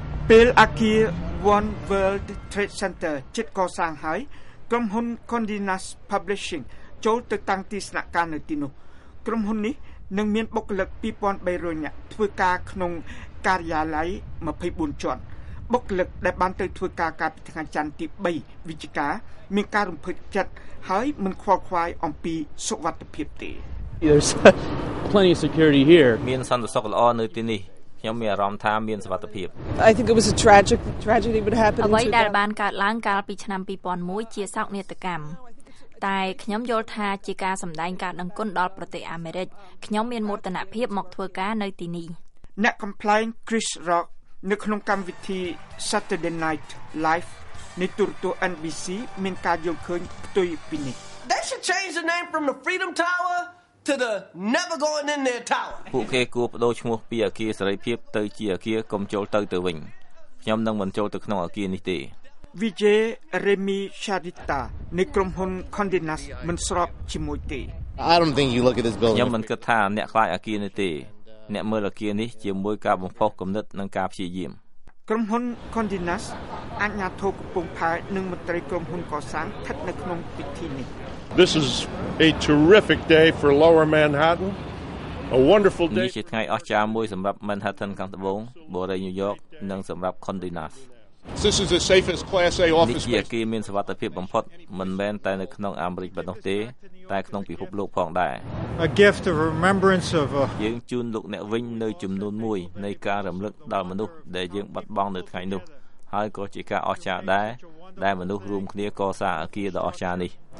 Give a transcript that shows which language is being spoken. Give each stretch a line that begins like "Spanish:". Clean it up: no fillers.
Khmer: ពេលអគារOne World Trade Center ជិតកសាងហើយក្រុមហ៊ុន Condé Nast Publishing ចូលទៅតាំងទីស្នាក់ការនៅទីនោះក្រុមហ៊ុននេះនឹងមានបុគ្គលិក 2,300 នាក់ធ្វើការក្នុងការិយាល័យ24ជាន់បុគ្គលិកដែលបានទៅធ្វើការកាលពីថ្ងៃច័ន្ទទី3វិច្ឆិកាមានការរំភើបចិត្តហើយមិនខ្វល់ខ្វាយអំពីសុវត្ថិភាពទេ
English: There's plenty of security here
Khmer: មានសន្តិសុខល្អនៅទីនេះខ្ញុំមានអារម្មណ៍ថាមានសុវត្ថិភាព
English: I think it was a tragedy but happened
Khmer: អ្វីដែលបានកើតឡើងកាលពីឆ្នាំ2001ជាសោកនាដកម្មតែខ្ញុំយល់ថាជាការសម្ដែងការដឹងគុណដល់ប្រទេសអាមេរិកខ្ញុំមានមោទនភាពមកធ្វើការនៅទីនេះ អ្នក complaint Chris Rock នៅក្នុងកម្មវិធី Saturday Night Live នៃទូរទស្សន៍ NBC មានការយកឃើញផ្ទុយពីនេះ
English: They should change the name from the Freedom Tower to the never going in their tower
Khmer: ពួកគេគួរបដូរឈ្មោះពីអាគារសេរីភាពទៅជាអាគារកុំចូលទៅវិញខ្ញុំនឹងមិនចូលទៅក្នុងអាគារនេះទេ Vijay Remy Sharita នៃក្រុមហ៊ុន Condé Nast មិនស្របជាមួយទេ
English: I don't think you look at this building
Khmer: ខ្ញុំមិនគិតថាអ្នកខ្លាចអាគារនេះទេអ្នកមើលអាគារនេះជាមួយការបំផុសគំនិតនិងការព្យាយាម ក្រុមហ៊ុន Condé Nast អាជ្ញាធរកំពង់ផែនិងមន្ត្រីក្រុមហ៊ុនកសាងស្ថិតនៅក្នុងពិធីនេះ
English: This is a terrific day for Lower Manhattan. A wonderful day.
Khmer: នេះជាថ្ងៃអស្ចារ្យមួយសម្រាប់ Manhattan ខាងត្បូងបូរីញូវយ៉កនិងសម្រាប់ Condé Nast.
English: This is the safest class A office space.
Khmer: នេះគឺមានសុវត្ថិភាពបំផុតមិនមែនតែនៅក្នុងអាមេរិកប៉ុណ្ណោះទេតែក្នុងពិភពលោកផងដែរ
English: A gift of remembrance of a
Khmer: យើងជូនលោកអ្នកវិញនៅចំនួនមួយនៃការរំលឹកដល់មនុស្សដែលយើងបាត់បង់នៅថ្ងៃនោះហើយក៏ជាការអស្ចារ្យដែរដែលមនុស្សរួមគ្នាកសាងអគារដ៏អស្ចារ្យនេះ